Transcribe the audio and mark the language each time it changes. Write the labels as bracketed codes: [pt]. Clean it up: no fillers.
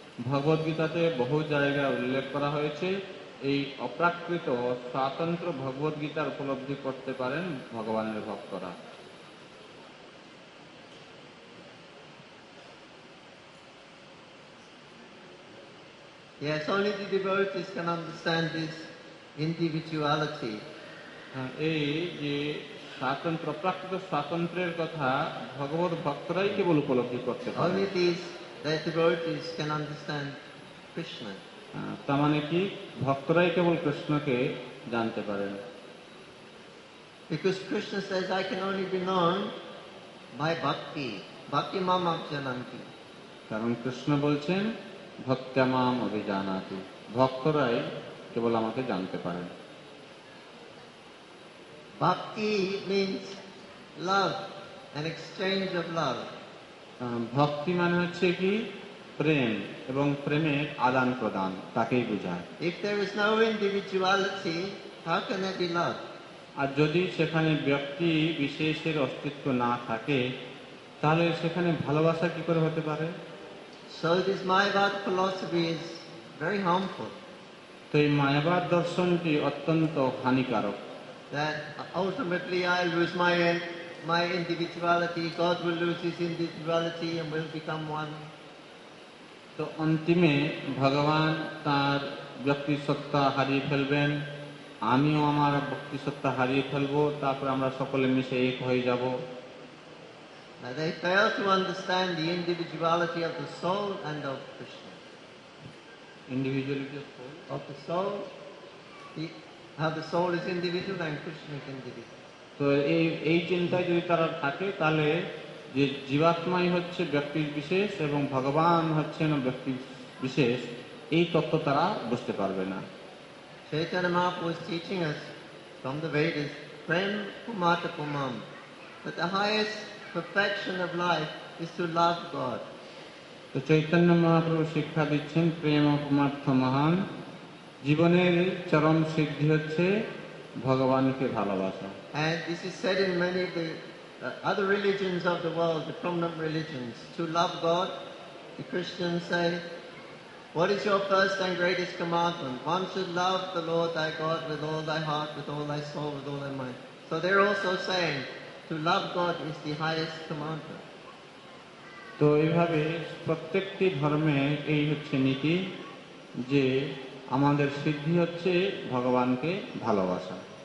[bn] ভগবদ গীতাতে বহু জায়গায় উল্লেখ করা হয়েছে এই অপ্রাকৃত স্বতন্ত্র ভগবদ গীতার উপলব্ধি করতে পারেন ভগবানের ভক্তরা। [en] Yes, only the devotees can understand this individuality. [bn] এই যে স্বাতন্ত্র প্রাকৃত স্বাতন্ত্রের কথা ভগবত ভক্তরাই কেবল উপলব্ধি করতে পারে। [en] Only these devotees can understand Krishna. [bn] তার মানে কি ভক্তরাই কেবল কৃষ্ণকে জানতে পারেন। [en] Because Krishna says, I can only be known by bhakti. [sa] Bhakti mam abjananti. [bn] কারণ কৃষ্ণ বলছেন [sa] ভক্তমাম অভিজানাতি [bn] ভক্তরাই কেবল আমাকে জানতে পারেন। [en] Bhakti means love, an exchange of love. [bn] ভক্তি মানে হচ্ছে কি প্রেম এবং প্রেমের আদান প্রদান তাকেই বোঝায়। [en] If there is no individuality, how can there be love? [bn] আর যদি সেখানে ব্যক্তি বিশেষের অস্তিত্ব না থাকে তাহলে সেখানে ভালোবাসা কি করে হতে পারে? [en] So this Mayavad philosophy is very harmful. [bn] তো এই মায়াবাদ দর্শনটি অত্যন্ত হানিকারক। [en] That ultimately I lose my individuality, God will lose his individuality and will become one. [bn] তো অন্তিমে ভগবান তার ব্যক্তি সত্তা হারিয়ে ফেলবেন, আমিও আমার ব্যক্তি সত্তা হারিয়ে ফেলবো, তারপর আমরা সকলে মিশে এক হয়ে যাব। [en] Now they fail to understand the individuality of the soul and of Krishna. Individuality of soul? Of the soul. How the soul is individual and Krishna is individual. [bn] So, এই চিন্তায় যদি তারা থাকে তাহলে যে জীবাত্মাই হচ্ছে ব্যক্তির বিশেষ এবং ভগবান হচ্ছেন ব্যক্তির বিশেষ এই তত্ত্ব তারা বুঝতে পারবে না। [en] Chaitanya Mahaprabhu was teaching us from the Vedas, prem kumata kumam, that the highest perfection of life is to love God. [bn] তো চৈতন্য মহাপ্রভু শিক্ষা দিচ্ছেন প্রেম অপমার্থ মহান জীবনের চরম সিদ্ধি হচ্ছে ভগবানকে ভালোবাসা। [en] And this is said in many of the other religions of the world, the prominent religions, to love God, the Christians say, what is your first and greatest commandment? One should love the Lord thy God with all thy heart, with all thy soul, with all thy mind. So they're also saying, to love God is the highest commandment. [bn] তো এইভাবে প্রত্যেকটি ধর্মে এই হচ্ছে নীতি যে আমাদের সিদ্ধি হচ্ছে ভগবানকে ভালোবাসা।